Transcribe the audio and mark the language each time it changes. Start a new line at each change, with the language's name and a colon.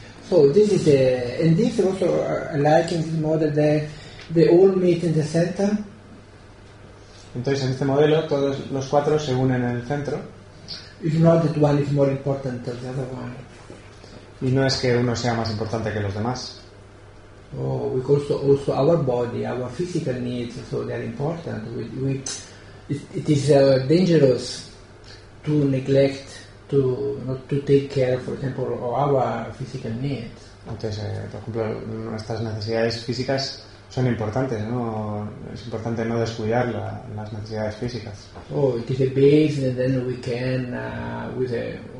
English: So this is and this also like in this model that they all meet in the center.
Spanish: Entonces en este modelo todos los cuatro se unen en el centro.
English: If not that one is more important than the other one.
Spanish: Y no es que uno sea más importante que los demás.
English: Oh, because also our body, our physical needs, so they are important. It is dangerous to neglect. To take care, for example, of our physical needs.
Spanish: Entonces, por ejemplo, nuestras necesidades físicas son importantes, ¿no? Es importante no descuidar las necesidades físicas.
English: Oh, it is a base, and then we can, with a